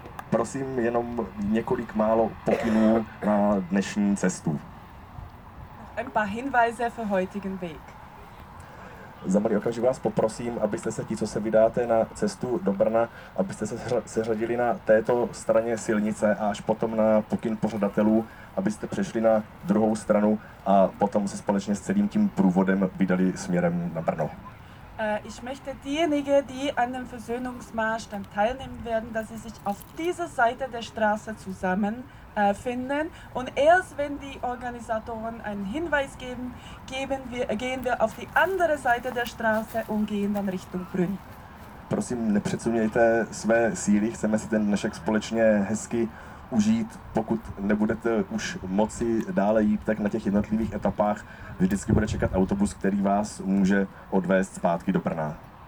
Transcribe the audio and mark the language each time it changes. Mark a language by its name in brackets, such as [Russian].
[Czech] Prosím jenom několik málo pokynů na dnešní cestu. [German] Ein paar Hinweise für heutigen Weg. [Czech] Za malý okamžik vás poprosím, abyste se ti, co se vydáte na cestu do Brna, abyste se seřadili na této straně silnice a až potom na pokyn pořadatelů, abyste přešli na druhou stranu a potom se společně s celým tím průvodem vydali směrem na Brno. [German] Ich möchte diejenigen, die an dem Versöhnungsmarsch dann teilnehmen werden, dass sie sich auf dieser Seite der Straße zusammen finden. Und erst wenn die Organisatoren einen Hinweis geben, gehen wir auf die andere Seite der Straße und gehen dann Richtung Brünn. [Czech] prosím, nepřeceňujte své síly, chceme si ten dnešek společně hezky užít. Pokud nebudete už moci dále jít, tak na těch jednotlivých etapách vždycky bude čekat autobus, který vás může odvést zpátky do Brna.